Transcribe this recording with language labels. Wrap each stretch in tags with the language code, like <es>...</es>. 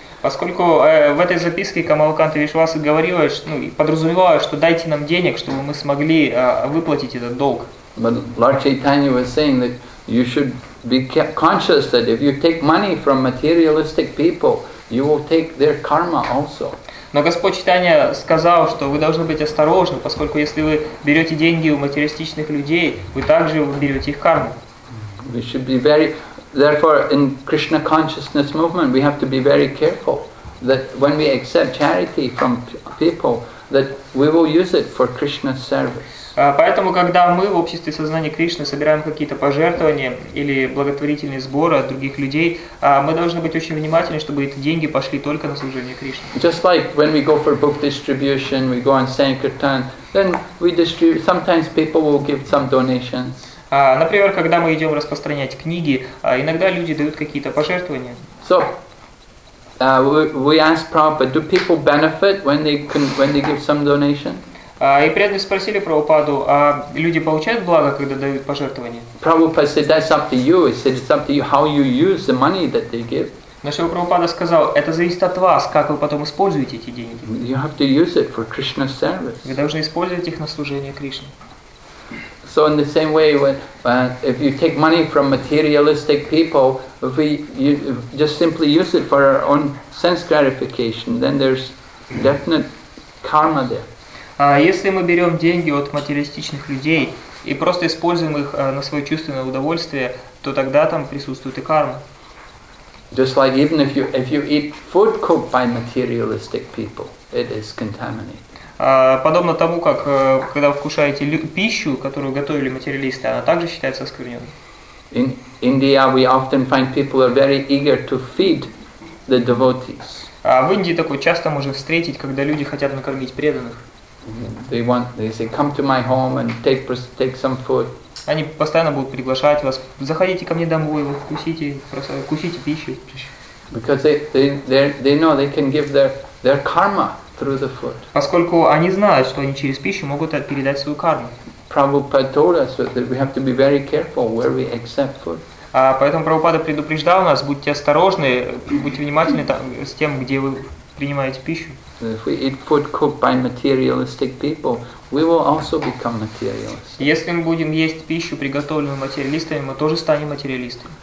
<ru>Поскольку в этой записке Камалаканта Вишваса говорила, ну, подразумевала, что дайте нам денег, чтобы мы смогли выплатить этот долг.</ru> <en>But Lord Chaitanya was saying that you should be conscious that if you take money from materialistic people, You will take their karma also.</en> <ru>Но Господь Читания сказал, что вы должны быть осторожны, поскольку если вы берете деньги у материалистичных людей, вы также берете их карму.</ru> <en>We should be very, therefore, in Krishna consciousness movement, we have to be very careful that when we accept charity from people, that we will use it for Krishna's service.</en> <ru>Поэтому, когда мы в обществе сознания Кришны собираем какие-то пожертвования или благотворительные сборы от других людей, мы должны быть очень внимательны, чтобы эти деньги пошли только на служение Кришне.</ru> <en>Just like when we go for book distribution, we go on Sankirtan, then we distribute. Sometimes people will give some donations.</en> <ru>Например, когда мы идем распространять книги, иногда люди дают какие-то пожертвования.</ru> <en>So, we ask Prabhupada, do people benefit when they give some donation?</en> <ru>И преданные спросили Прабхупаду, а люди получают благо, когда дают пожертвования?</ru> <en>Prabhupada said, that's up to you. He said, it's up to you how you use the money that they give.</en> <ru>Но Шрила Прабхупада сказал, это зависит от вас, как вы потом используете эти деньги.</ru> <en>You have to use it for Krishna's service.</en> <ru>Вы должны использовать их на служение Кришне.</ru> <en>So in the same way, when if you take money from materialistic people, if we you just simply use it for our own sense gratification, then there's definite karma there.</en> <ru>Если мы берем деньги от материалистичных людей и просто используем их на свое чувственное удовольствие, то тогда там присутствует и карма.</ru> <en>Just like even if you eat food cooked by materialistic people, it is contaminated.</en> <ru>Подобно тому, как когда вы кушаете пищу, которую готовили материалисты, она также считается оскверненной.</ru> <en>In India we often find people are very eager to feed the devotees.</en> <ru>В Индии такое часто можно встретить, когда люди хотят накормить преданных.</ru> <en>They say, come to my home and take some food.</en> <ru>Они постоянно будут приглашать вас, заходите ко мне домой, вы кусите, кусите пищу.</ru> <en>Because they know they can give their karma through the food.</en> <ru>Поскольку они знают, что они через пищу могут передать свою карму.</ru> <en>Prabhupada told us that we have to be very careful where we accept food.</en> <ru>Поэтому Прабхупада предупреждал нас, будьте осторожны, будьте внимательны там, с тем, где вы принимаете пищу.</ru> <en>If we eat food cooked by materialistic people, we will also become materialists.</en> <ru>Если мы будем есть пищу, приготовленную материалистами, мы тоже станем материалистами.</ru>